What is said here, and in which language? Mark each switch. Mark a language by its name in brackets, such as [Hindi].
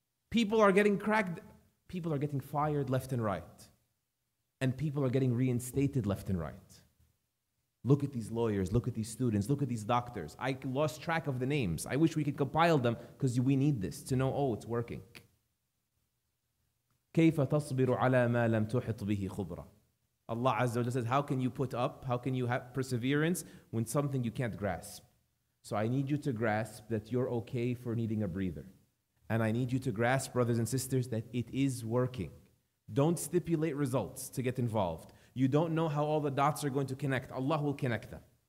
[English] People are getting cracked. People are getting fired left and right. And people are getting reinstated left and right. Look at these lawyers. Look at these students. Look at these doctors. I lost track of the names. I wish we could compile them because we need this to know, oh, it's working. [Arabic] كيف تصبر على ما لم تحط به خبرة? [English] Allah Azza wa Jalla says, how can you put up? How can you have perseverance when something you can't grasp? So I need you to grasp that you're okay for needing a breather. And I need you to grasp, brothers and sisters, that it is working. Don't stipulate results to get involved. You don't know how all the dots are going to connect. Allah will connect them.